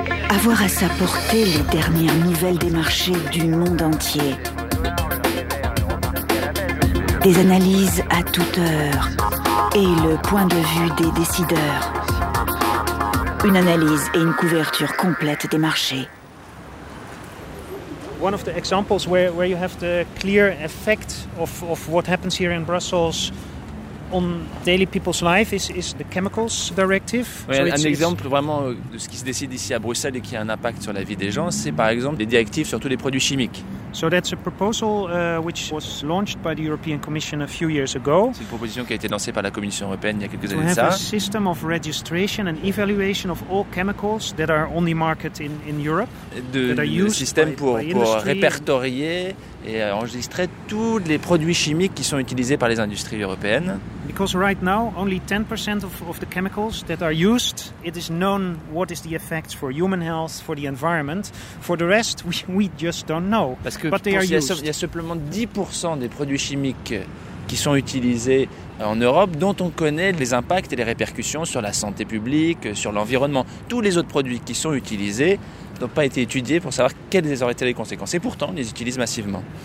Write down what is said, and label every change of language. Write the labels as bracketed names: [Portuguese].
[French] Avoir à sa portée les dernières nouvelles des marchés du monde entier. Des analyses à toute heure. Et le point de vue des décideurs. Une analyse et une couverture complète des marchés. [English] One of the examples where you have the clear effect of what happens here in Brussels on daily people's life is the chemicals directive. [French] Oui, so un exemple vraiment de ce qui se décide ici à Bruxelles et qui a un impact sur la vie des gens, c'est par exemple les directives sur tous les produits chimiques. [English] So that's a proposal which was launched by the European Commission a few years ago. [French] C'est une proposition qui a été lancée par la Commission européenne il y a quelques années de ça. [English] A system of registration and evaluation of all chemicals that are on the market in Europe. [French] Un système pour répertorier et enregistrer tous les produits chimiques qui sont utilisés par les industries européennes. [English] Because right now only 10% of the chemicals that are used, it is known what is the effect for human health, for the environment. For the rest, we just don't know. [French] Parce que il y a simplement 10% des produits chimiques qui sont utilisés en Europe, dont on connaît les impacts et les répercussions sur la santé publique, sur l'environnement. Tous les autres produits qui sont utilisés n'ont pas été étudiés pour savoir quelles auraient été les conséquences. Et pourtant, on les utilise massivement.